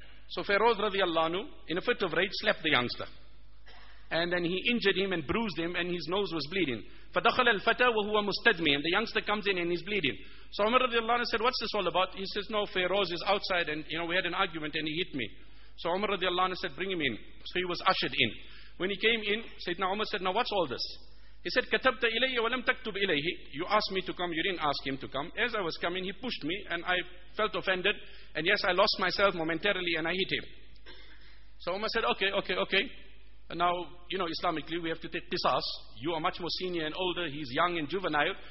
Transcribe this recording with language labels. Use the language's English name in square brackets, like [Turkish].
[English] So Feroz radiallahu anhu, in a fit of rage, slapped the youngster. And then he injured him and bruised him, and his nose was bleeding. [Arabic] فَدَخَلَ الْفَتَى وَهُوَ مُسْتَدْمِي. [English] And the youngster comes in and he's bleeding. So Umar radiallahu anhu said, what's this all about? He says, no, Feroz is outside, and you know, we had an argument and he hit me. So Umar radiallahu anhu said, bring him in. So he was ushered in. When he came in, Sayyidina Umar said, now what's all this? He said, [Arabic] كَتَبْتَ إِلَيَّ وَلَمْ تَكْتُبْ إِلَيْهِ. [English] You asked me to come, you didn't ask him to come. As I was coming, he pushed me and I felt offended. And yes, I lost myself momentarily and I hit him. So Umar said, okay. And now, you know, Islamically, we have to take qisas. You are much more senior and older, he's young and juvenile.